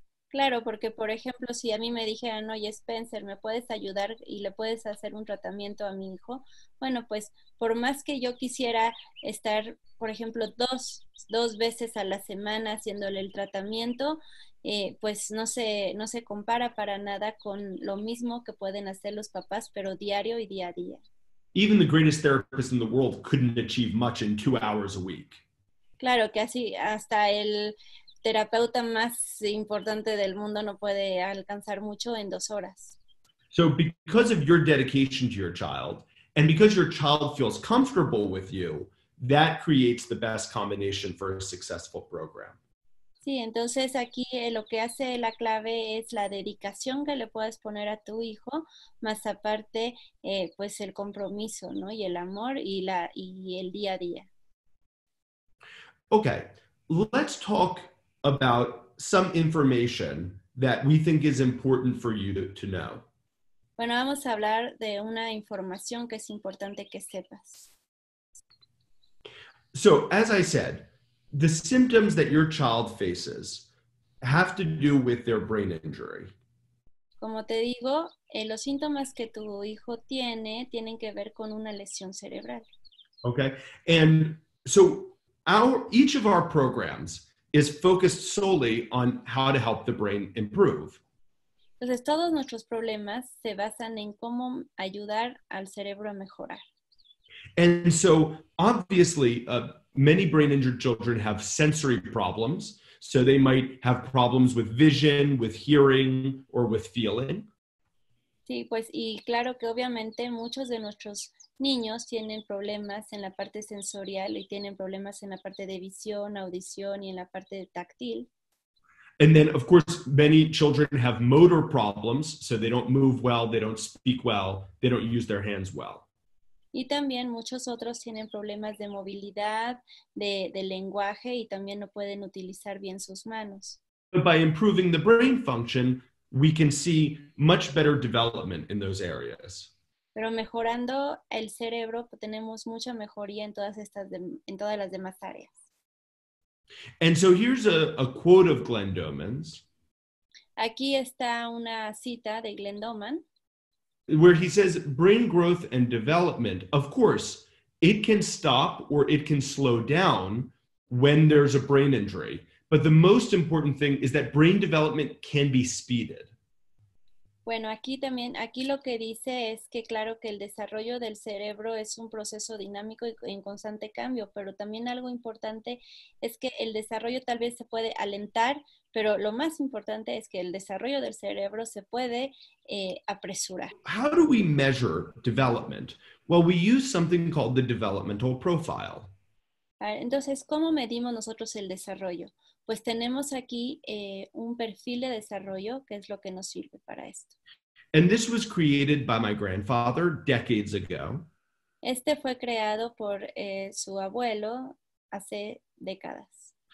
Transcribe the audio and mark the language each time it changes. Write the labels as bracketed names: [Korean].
[Spanish] Claro, porque por ejemplo, si a mí me dijeran, oye Spencer, ¿me puedes ayudar y le puedes hacer un tratamiento a mi hijo? Bueno, pues por más que yo quisiera estar, por ejemplo, dos veces a la semana haciéndole el tratamiento, pues no se compara para nada con lo mismo que pueden hacer los papás, pero diario y día a día. [English] Even the greatest therapist in the world couldn't achieve much in 2 hours a week. [Spanish] Claro que así, hasta el terapeuta más importante del mundo no puede alcanzar mucho en 2 horas. [English] So because of your dedication to your child, and because your child feels comfortable with you, that creates the best combination for a successful program. [Spanish] Sí, entonces aquí lo que hace la clave es la dedicación que le puedes poner a tu hijo, más aparte, pues el compromiso, ¿no? Y el amor y el día a día. [English] Okay, let's talk about some information that we think is important for you to know. [Spanish] Bueno, vamos a hablar de una información que es importante que sepas. [English] So, as I said, the symptoms that your child faces have to do with their brain injury. [Spanish] Como te digo, los síntomas que tu hijo tiene tienen que ver con una lesión cerebral. [English] Okay, and so each of our programs is focused solely on how to help the brain improve. [Spanish] Entonces, todos nuestros problemas se basan en cómo ayudar al cerebro a mejorar. [English] And so, obviously, many brain-injured children have sensory problems, so they might have problems with vision, with hearing, or with feeling. [Spanish] Sí, pues, y claro que obviamente muchos de nuestros niños tienen problemas en la parte sensorial y tienen problemas en la parte de visión, audición y en la parte de táctil. [English] And then, of course, many children have motor problems, so they don't move well, they don't speak well, they don't use their hands well. [Spanish] Y también muchos otros tienen problemas de movilidad, de lenguaje, y también no pueden utilizar bien sus manos. [English] But by improving the brain function, we can see much better development in those areas. [Spanish] Pero mejorando el cerebro, tenemos mucha mejoría en todas las demás áreas. [English] And so here's a quote of Glenn Doman's. [Spanish] Aquí está una cita de Glenn Doman, [English] where he says, brain growth and development, of course, it can stop or it can slow down when there's a brain injury. But the most important thing is that brain development can be speeded. [Spanish] Bueno, aquí lo que dice es que claro que el desarrollo del cerebro es un proceso dinámico y en constante cambio, pero también algo importante es que el desarrollo tal vez se puede alentar, pero lo más importante es que el desarrollo del cerebro se puede apresurar. [English] How do we measure development? Well, we use something called the developmental profile. [Spanish] Entonces, ¿cómo medimos nosotros el desarrollo? Pues tenemos aquí un perfil de desarrollo, que es lo que nos sirve para esto. [English] And this was created by my grandfather decades ago. [Spanish] Este fue creado por su abuelo hace décadas.